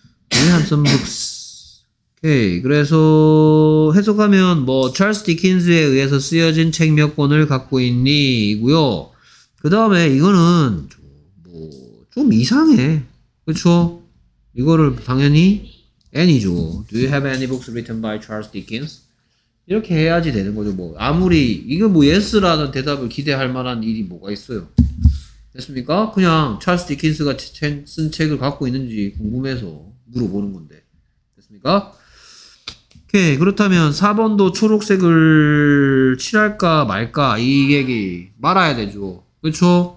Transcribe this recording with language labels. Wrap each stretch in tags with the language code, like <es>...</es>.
<en>Do you have some books?</en> <ko>오케이. 그래서 해석하면 뭐 찰스 디킨스에 의해서 쓰여진 책 몇 권을 갖고 있니? 이고요. 그 다음에 이거는 뭐 좀 이상해. 그쵸? 이거를 당연히 N이죠.</ko> <en>Do you have any books written by Charles Dickens?</en> <ko>이렇게 해야지 되는 거죠. 뭐 아무리 이거 뭐 yes라는 대답을 기대할 만한 일이 뭐가 있어요. 됐습니까? 그냥 찰스 디킨스가 쓴 책을 갖고 있는지 궁금해서 물어보는 건데. 됐습니까? 오케이. 그렇다면 4번도 초록색을 칠할까 말까 이 얘기 말아야 되죠. 그렇죠?</ko>